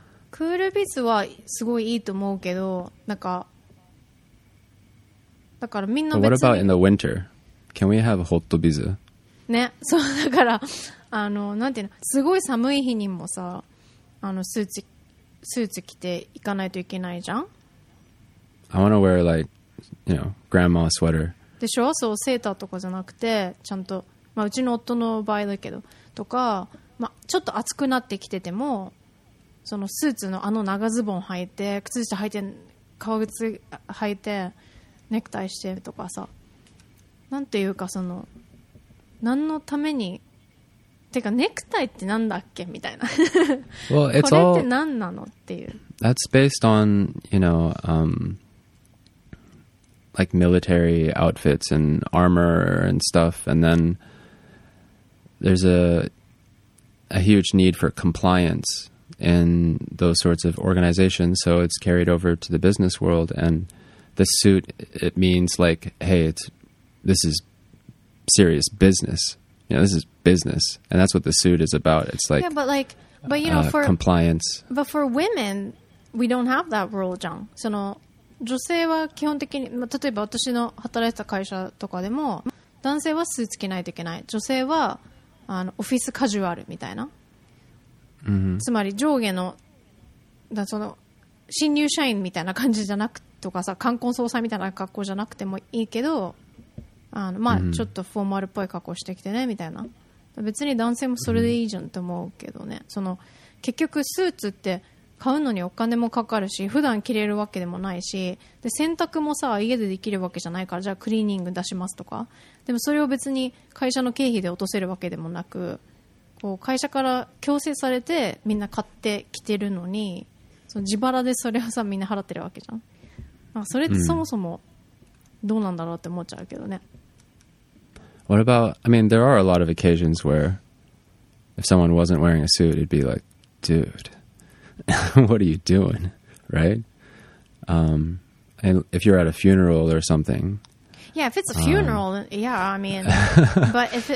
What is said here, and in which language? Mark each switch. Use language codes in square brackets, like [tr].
[ja] クールビズはすごいいいと思うけど、なんかだからみんな別に。 [en] What about in the winter? Can we have hot biz? [ja] ね、そうだからあのなんていうの、すごい寒い日にもさ、あのスーツ着て行かないといけないじゃん。 [en] I want to wear like, you know, grandma sweater. [ja] でしょ、そうセーターとかじゃなくてちゃんと、まあ、うちの夫の場合だけどとか、まあ、ちょっと暑くなってきててもそのスーツのあの長ズボン履いて靴下履いて革靴履いてネクタイしてとかさ、なんていうかその何のためにてかネクタイってなんだっけみたいな。 [en] Well, [ja] これって何なのっていう。 [en] That's based on, you know, like military outfits and armor and stuff, and then there's a huge need for compliance in those sorts of organizations. So it's carried over to the business world, and the suit, it means like, hey, this is serious business. You know, this is business, and that's what the suit is about. It's like, yeah, but you know, for compliance. But for women, we don't have that role, John. [ja] その女性は基本的に、まあ、例えば私の働いてた会社とかでも、男性はスーツ着ないといけない。女性はあのオフィスカジュアルみたいな。 Mm-hmm. つまり上下の、だその新入社員みたいな感じじゃなくとかさ、冠婚葬祭みたいな格好じゃなくてもいいけど、あのまあちょっとフォーマルっぽい格好してきてねみたいな。別に男性もそれでいいじゃんって思うけどね。 Mm-hmm. その結局スーツって買うのにお金もかかるし、普段着れるわけでもないし、で洗濯もさ家でできるわけじゃないから、じゃあクリーニング出しますとか、でもそれを別に会社の経費で落とせるわけでもなく、こう会社から強制されてみんな買ってきてるのに、その自腹でそれをさみんな払ってるわけじゃん。まあ、それってそもそもどうなんだろうって思っちゃうけどね。 [en] What about, I mean, there are a lot of occasions where if someone wasn't wearing a suit, it'd be like, dude, what are you doing, right? And if you're at a funeral or something. Yeah, if it's a funeral, yeah, I mean, but if